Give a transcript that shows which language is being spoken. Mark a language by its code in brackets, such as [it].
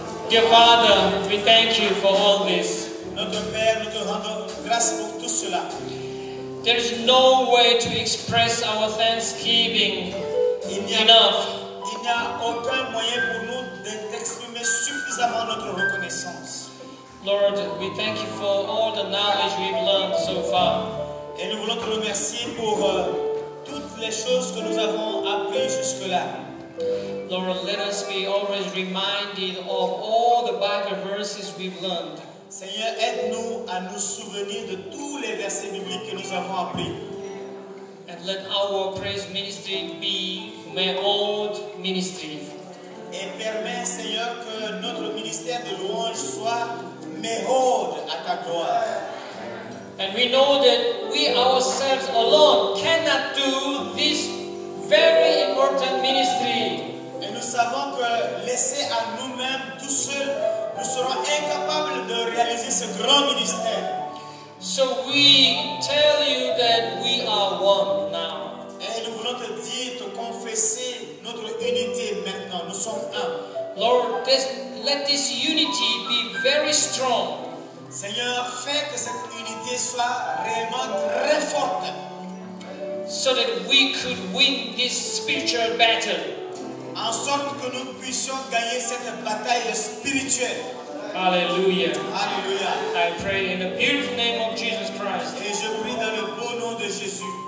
[en] Dear Father, we thank you for all this. [fr] Notre Père, nous te rendons grâce pour tout cela. [en] There is no way to express our thanksgiving enough. [fr] Il n'y a aucun moyen pour nous d'exprimer suffisamment notre reconnaissance. [en] Lord, we thank you for all the knowledge we've learned so far. [fr] Et nous voulons te remercier pour toutes les choses que nous avons apprises jusque-là. [en] Lord, let us be always reminded of all the Bible verses we've learned. [fr] Seigneur, aide-nous à nous souvenir de tous les versets bibliques que nous avons appris. [en] And let our praise ministry be my old ministry. [fr] Et permet, Seigneur, que notre ministère de louange soit méode à ta gloire. [en] And we know that we ourselves alone cannot do this very important ministry. [fr] Et nous savons que laisser à nous-mêmes tout seul, nous serons incapables de réaliser ce grand ministère. [en] So we tell you that we are one now. [fr] Et nous voulons te dire, te confesser notre unité maintenant. Nous sommes un. [en] Lord, let this unity be very strong. [fr] Seigneur, fais que cette unité soit vraiment très forte. [en] So that we could win this spiritual battle. [fr] En sorte que nous puissions gagner cette bataille spirituelle. Alléluia. Alléluia. [en] I pray in the beautiful name of Jesus Christ. [fr] Et je prie dans le beau nom de Jésus.